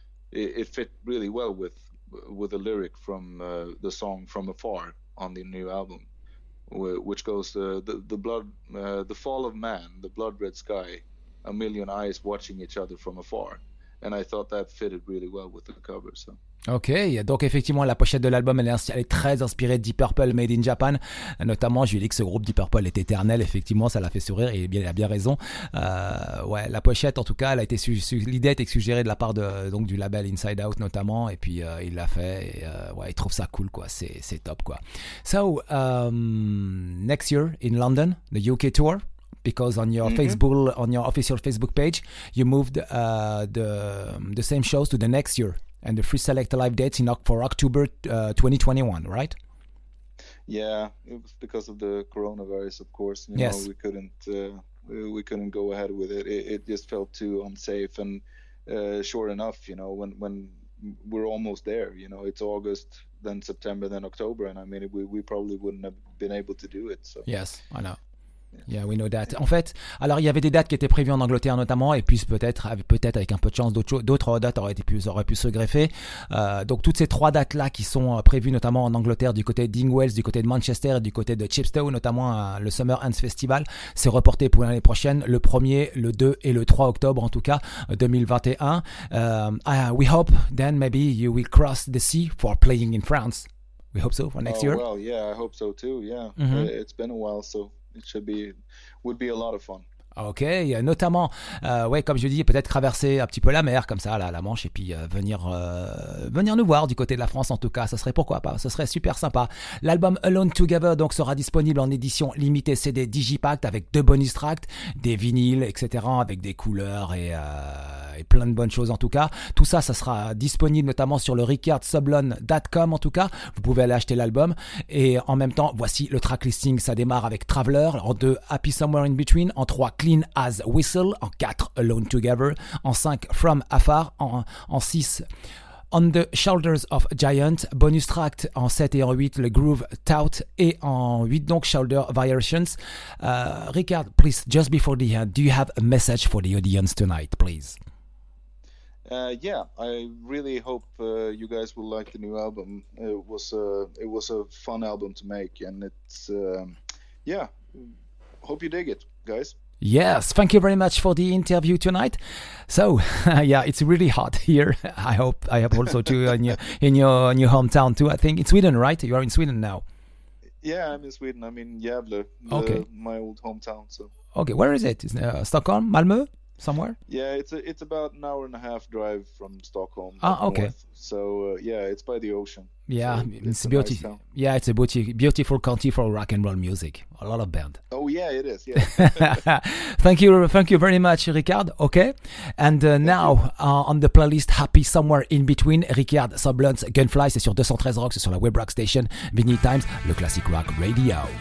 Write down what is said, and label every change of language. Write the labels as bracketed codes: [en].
[en] It fit really well with a lyric from the song From Afar on the new album, which goes, the blood, the fall of man, the blood red sky, a million eyes watching each other from afar. And I thought that fitted really well with the cover, so. [fr] Ok, donc effectivement, la pochette de l'album, elle est très inspirée de Deep Purple, Made in Japan. Notamment, je lui ai dit que ce groupe Deep Purple est éternel. Effectivement, ça l'a fait sourire et il a bien raison. Ouais, la pochette, en tout cas, elle a été l'idée a été suggérée de la part du label Inside Out, notamment. Et puis, il l'a fait et ouais, il trouve ça cool, quoi. C'est top, quoi. [en] So, next year in London, the UK tour. Because on your Facebook, on your official Facebook page, you moved the same shows to the next year. And the free select live dates for October 2021, right? Yeah, it was because of the coronavirus, of course. You yes. know, we couldn't go ahead with it. It just felt too unsafe. And sure enough, you know, when we're almost there, you know, it's August, then September, then October. And I mean, we probably wouldn't have been able to do it. So. Yes, I know. Yeah, we know that. [fr] En fait, alors il y avait des dates qui étaient prévues en Angleterre notamment, et puis peut-être avec un peu de chance, d'autres dates auraient pu se greffer. Donc toutes ces trois dates-là qui sont prévues notamment en Angleterre du côté d'Ingwells, du côté de Manchester et du côté de Chepstow, notamment le Summer Ends Festival, c'est reporté pour l'année prochaine, le 1er, le 2 et le 3 octobre en tout cas 2021. [en] We hope then maybe you will cross the sea for playing in France. We hope so for next year. Well, yeah, I hope so too. Yeah, it's been a while, so. It would be a lot of fun. [fr] Ok, notamment, ouais, comme je dis, peut-être traverser un petit peu la mer, comme ça, la Manche, et puis venir nous voir du côté de la France, en tout cas, ça serait pourquoi pas, ça serait super sympa. L'album Alone Together donc sera disponible en édition limitée CD Digipact avec deux bonus tracks, des vinyles, etc., avec des couleurs et plein de bonnes choses en tout cas. Tout ça, ça sera disponible notamment sur le RichardSublon.com en tout cas. Vous pouvez aller acheter l'album. Et en même temps, voici le track listing. Ça démarre avec Traveler, en 2 Happy Somewhere in Between, en 3 Clean as Whistle, en 4 Alone Together, en 5 From Afar, en 6 On the Shoulders of Giant, bonus track en 7 et en 8, le Groove Tout, et en 8 donc Shoulder Variations. [en] Richard, please, just before the end, do you have a message for the audience tonight, please? Yeah, I really hope you guys will like the new album. It was a fun album to make, and it's yeah. Hope you dig it, guys. Yes, thank you very much for the interview tonight. So, yeah, it's really hot here. I hope also too in your hometown too. I think it's Sweden, right? You are in Sweden now. Yeah, I'm in Sweden. I'm in Gävle, my old hometown. So. Okay, where is it? Is it Stockholm, Malmö? Somewhere? Yeah, it's about an hour and a half drive from Stockholm. Ah, okay. North. So yeah, it's by the ocean. Yeah, so it's beautiful. Nice, yeah, it's a beautiful country for rock and roll music. A lot of band. Oh yeah, it is. Yeah. thank you very much, Richard. Okay, and now on the playlist, Happy Somewhere in Between, Richard Sublon's Gunfly. [fr] C'est sur 213 Rock, c'est sur la web rock station Vinyl Times, le classic rock radio.